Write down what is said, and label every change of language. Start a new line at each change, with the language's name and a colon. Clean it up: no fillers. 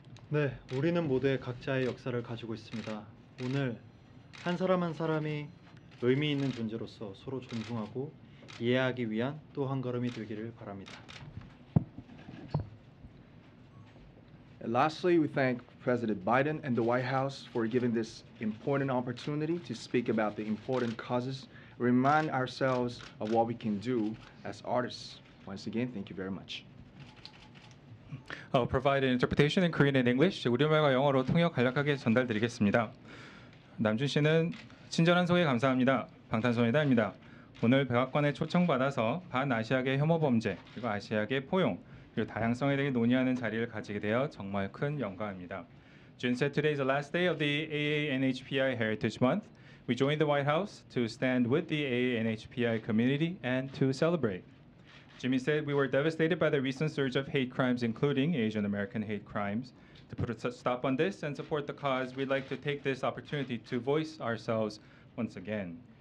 Korean: 네, 우리는 모두의 각자의 역사를 가지고 있습니다. 오늘 한 사람 한 사람이 의미 있는 존재로서 서로 존중하고 이해하기 위한 또 한 걸음이 되기를 바랍니다.
English: Lastly, we thank President Biden and the White House for giving this important opportunity to speak about the important causes, remind ourselves of what we can do as artists. Once again, thank you very much. I'll provide an interpretation in Korean and English.
Korean: 우리말과 영어로 통역 간략하게 전달드리겠습니다. 남준 씨는 친절한 소개 감사합니다. 방탄소년단입니다. 오늘 백악관에 초청받아서 반아시아계 혐오 범죄, 그리고 아시아계 포용, 그리고 다양성에 대해 논의하는 자리를 가지게 되어 정말 큰 영광입니다.
English: June said today is the last day of the AANHPI Heritage Month. We joined the White House to stand with the AANHPI community and to celebrate. Jimmy said we were devastated by the recent surge of hate crimes, including Asian American hate crimes. To put a stop on this and support the cause, we'd like to take this opportunity to voice ourselves once again.